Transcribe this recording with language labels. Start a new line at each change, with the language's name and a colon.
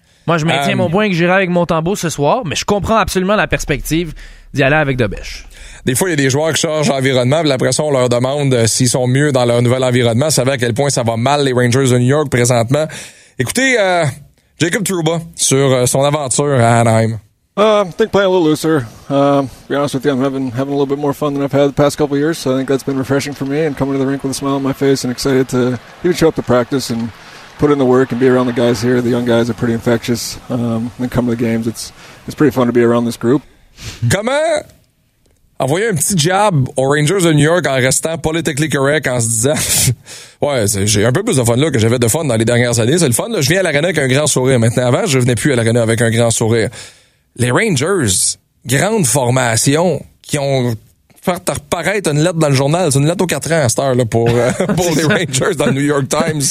French: Moi, je maintiens mon point que j'irai avec Montembeau ce soir, mais je comprends absolument la perspective d'y aller avec Dobesh. Des fois, il y a des joueurs qui changent d'environnement, puis après ça, on leur demande s'ils sont mieux dans leur nouvel environnement. Ça va à quel point ça va mal, les Rangers de New York, présentement. Écoutez, Jacob Trouba, sur son aventure à Anaheim.
English: I think playing a little looser. To be honest with you, I'm having a little bit more fun than I've had the past couple of years. So I think that's been refreshing for me and coming to the rink with a smile on my face and excited to even show up to practice and put in the work and be around the guys here. The young guys are pretty infectious. And come to the games, it's pretty fun to be around this group.
French: Comment envoyer un petit jab aux Rangers de New York en restant
English: politically correct
French: en se disant ouais, j'ai un peu plus de fun là que j'avais de fun dans les dernières années. C'est le fun là. Je viens à l'aréna avec un grand sourire. Maintenant, avant, je venais plus à l'aréna avec un grand sourire. les Rangers, grande formation, qui ont fait reparaître une lettre dans le journal, c'est une lettre aux 4 ans à cette heure-là pour les Rangers dans le New York Times.